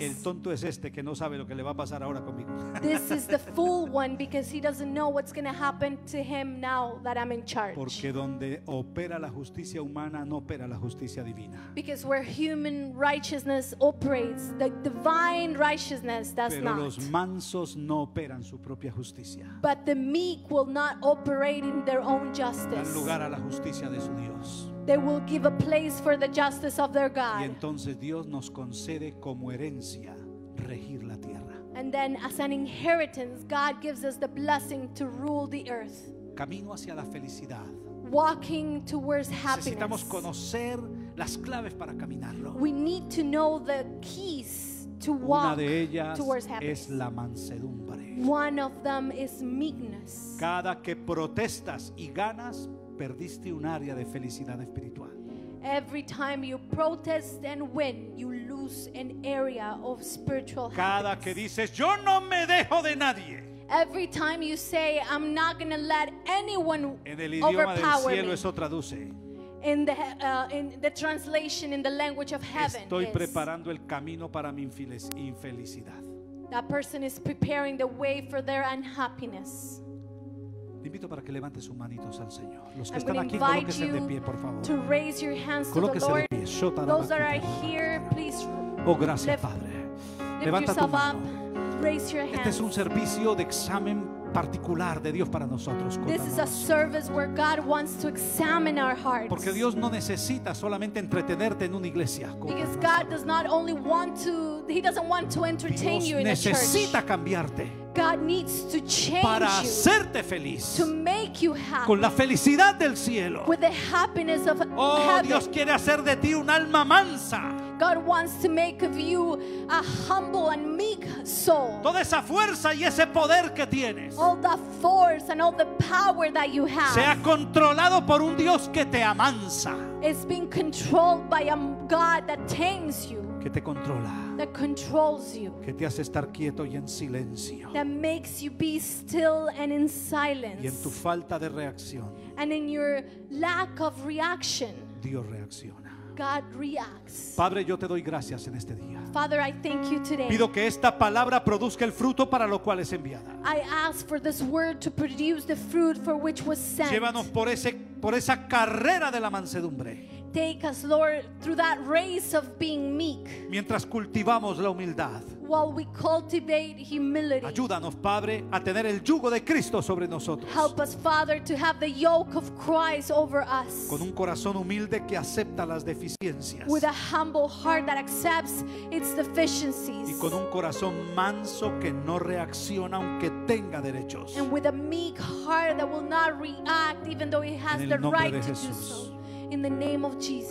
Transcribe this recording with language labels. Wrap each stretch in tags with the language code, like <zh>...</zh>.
<es>el tonto es este que no sabe lo que le va a pasar ahora conmigo.</es> <en>This is the fool one because he doesn't know what's going to happen to him now that I'm in charge.</en> <es>Porque donde opera la justicia humana no opera la justicia divina.</es> <en>Because where human righteousness operates, the divine righteousness does</en> <es>Pero</es> <en>not.</en> <es>Pero los mansos no operan su propia justicia.</es> <en>But the meek will not operate in their own justice.</en> <es>Dan lugar a la justicia de su Dios.</es> <en>They will give a place for the justice of their God.</en> <es>Y entonces Dios nos concede como herencia regir la tierra.</es> <en>And then as an inheritance, God gives us the blessing to rule the earth.</en> <es>Camino hacia la felicidad.</es> <en>Walking towards happiness.</en> <es>Necesitamos conocer las claves para caminarlo.</es> <en>We need to know the keys to walk</en> <es>Una de ellas</es> <en>towards happiness.</en> <es>Es la mansedumbre.</es> <en>One of them is meekness.</en> <es>Cada que protestas y ganas, perdiste un área de felicidad espiritual.</es> <en>Every time you protest and win, you lose. lose an area of spiritual habits.</en> <es>Cada que dices yo no me dejo de nadie.</es> <en>Every time you say I'm not going to let anyone overpower me.</en> <es>En el idioma del cielo eso traduce.</es> <en>In the translation in the language of heaven.</en> <es>Estoy preparando el camino para mi infelicidad.</es> <en>That person is preparing the way for their unhappiness.</en> <es>Te invito para que levantes sus manitos al Señor. Los que están aquí, colóquese de pie, por favor. Colóquese de pie.</es> <en>Those that are here, please.</en> <es>Oh, gracias, Padre. Levanta tu mano.</es> <en>Raise your hands.</en> <es>Este es un servicio de examen particular de Dios para nosotros.</es> <en>This is a service where God wants to examine our hearts.</en> <es>Porque Dios no necesita solamente entretenerte en una iglesia.</es> <en>Because God does not only want to, He doesn't want to entertain you in a church.</en> <es>Necesita cambiarte.</es> <en>God needs to change you.</en> <es>Para hacerte feliz.</es> <en>To make you happy.</en> <es>Con la felicidad del cielo.</es> <en>With the happiness of heaven.</en> <es>Oh, Dios quiere hacer de ti un alma mansa.</es> <en>God wants to make of you a humble and meek soul.</en> <es>Toda esa fuerza y ese poder que tienes.</es> <en>All the force and all the power that you have.</en> <es>Sea controlado por un Dios que te amansa.</es> <en>It's being controlled by a God that tames you.</en> <es>Que te controla.</es> <en>That controls you.</en> <es>Que te hace estar quieto y en silencio.</es> <en>That makes you be still and in silence.</en> <es>Y en tu falta de reacción.</es> <en>And in your lack of reaction.</en> <es>Dios reacciona.</es> <en>God reacts.</en> <es>Padre, yo te doy gracias en este día.</es> <en>Father, I thank you today.</en> <es>Pido que esta palabra produzca el fruto para lo cual es enviada.</es> <en>I ask for this word to produce the fruit for which was sent.</en> <es>Llévanos por esa carrera de la mansedumbre.</es> <en>Take us, Lord, through that race of being meek.</en> <es>Mientras cultivamos la humildad.</es> <en>While we cultivate humility.</en> <es>Ayúdanos, Padre, a tener el yugo de Cristo sobre nosotros.</es> <en>Help us, Father, to have the yoke of Christ over us.</en> <es>Con un corazón humilde que acepta las deficiencias.</es> <en>With a humble heart that accepts its deficiencies.</en> <es>Y con un corazón manso que no reacciona aunque tenga derechos.</es> <en>And with a meek heart that will not react even though it has the right to do so. In the name of Jesus.</en>